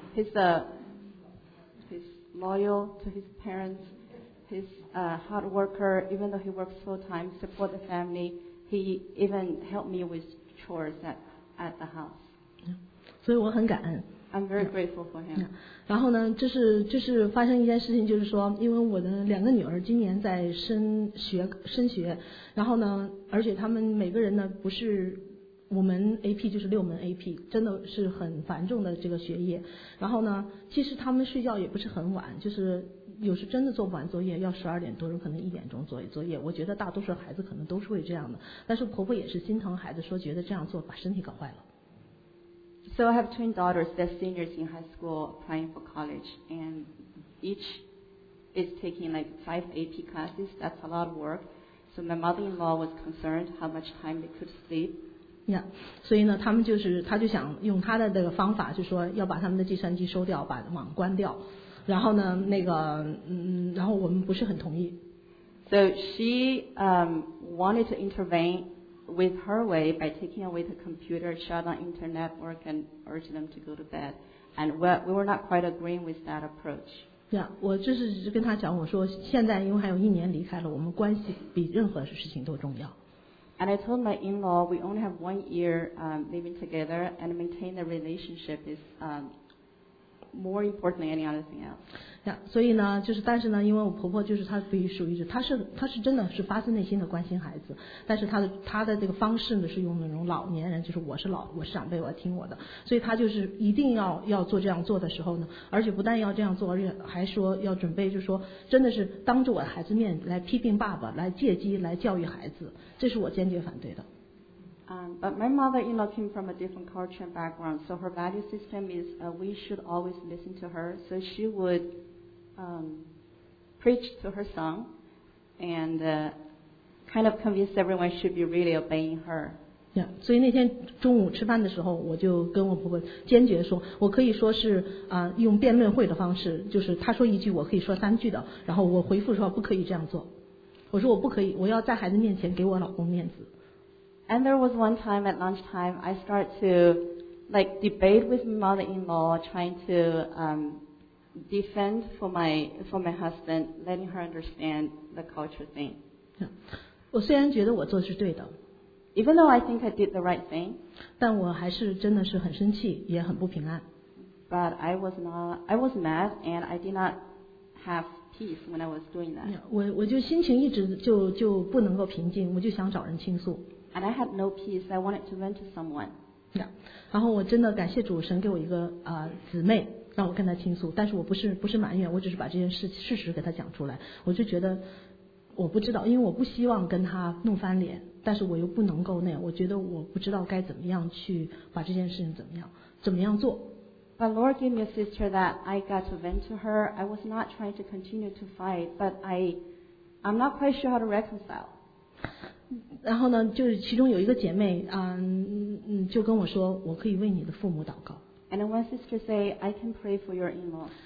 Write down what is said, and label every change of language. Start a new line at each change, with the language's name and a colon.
English: He's loyal to his parents. He's a hard worker. Even though he works full time, support the family. He even helped me with chores at the house. Yeah.
Chinese: 所以我很感恩。
English: I'm very grateful for him.
Chinese: 然后呢，就是发生一件事情，就是说，因为我的两个女儿今年在升学，然后呢，而且他们每个人呢不是五门 AP 就是六门 AP， 真的是很繁重的这个学业。然后呢，其实他们睡觉也不是很晚，就是有时真的做不完作业，要12点多钟，可能1点钟作业。我觉得大多数孩子可能都是会这样的，但是婆婆也是心疼孩子，说觉得这样做把身体搞坏了。
English: So I have twin daughters that are seniors in high school applying for college, and each is taking like 5 AP classes. That's a lot of work. So my mother-in-law was concerned how much time they could sleep. Yeah,
Chinese: 所以呢，他就想用他的这个方法，就说要把他们的计算机收掉，把网关掉。然后呢，那个然后我们不是很同意。
English: So she wanted to intervene. With her way, by taking away the computer, shut down internet work, and urge them to go to bed, and we were not quite agreeing with that approach. Yeah,
Chinese: 我就是跟他讲，我说现在因为还有一年离开了，我们关系比任何事情都重要。
English: And I told my in-law, we only have 1 year living together, and maintain the relationship is more important than any other thing else. Yeah,
Chinese: 所以呢，就是但是呢，因为我婆婆就是她属于她是真的是发自内心的关心孩子，但是她的这个方式呢是用那种老年人，就是我是长辈，我要听我的，所以她就是一定要做这样做的时候呢，而且不但要这样做，而且还说要准备，就是说真的是当着我的孩子面来批评爸爸，来借机来教育孩子，这是我坚决反对的。
English: But my mother-in-law came from a different culture and background, so her value system is we should always listen to her. So she would preach to her son and kind of convince everyone should be really obeying her. Yeah,
Chinese: 所以那天中午吃饭的时候，我就跟我婆婆坚决说，我可以说是用辩论会的方式，就是她说一句，我可以说三句的，然后我回复说不可以这样做，我说我不可以，我要在孩子面前给我老公面子。
English: And there was one time at lunchtime, I started to like debate with my mother-in-law, trying to defend for my husband, letting her understand the culture thing. Yeah.
Chinese: 我虽然觉得我做是对的。
English: Even though I think I did the right thing.
Chinese: 但我还是真的是很生气，也很不平安。
English: But I was mad and I did not have peace when I was doing that. Yeah,
Chinese: 我就心情一直就不能够平静，我就想找人倾诉。
English: And I had no peace. I wanted to vent to someone. Yeah.
Chinese: 然后我真的感谢主，神给我一个姊妹，让我跟她倾诉。但是我不是埋怨，我只是把这件事实给她讲出来。我就觉得我不知道，因为我不希望跟她弄翻脸，但是我又不能够那样。我觉得我不知道该怎么样去把这件事情怎么样做。
English: But Lord gave me a sister that I got to vent to her. I was not trying to continue to fight, but I'm not quite sure how to reconcile.
Chinese: 然后呢，就是其中有一个姐妹，就跟我说，我可以为你的父母祷告。
English: And one sister say, I can pray for your in-law.